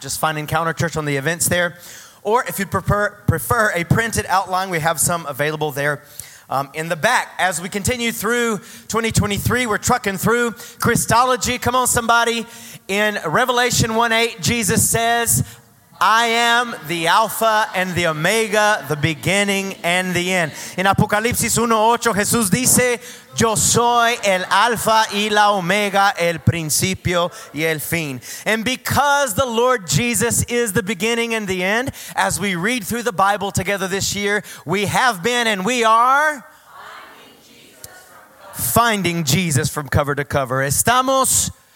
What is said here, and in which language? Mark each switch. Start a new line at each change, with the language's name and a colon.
English: Just find Encounter Church on the events there. Or if you'd prefer a printed outline, we have some available there in the back. As we continue through 2023, we're trucking through Christology. Come on, somebody. In Revelation 1:8, Jesus says, I am the Alpha and the Omega, the beginning and the end.
Spanish: In Apocalipsis 1:8, Jesús dice, Yo soy el Alpha y la Omega, el principio y el fin.
English: And because the Lord Jesus is the beginning and the end, as we read through the Bible together this year, we have been and we are finding Jesus from cover to cover.
Spanish: Estamos.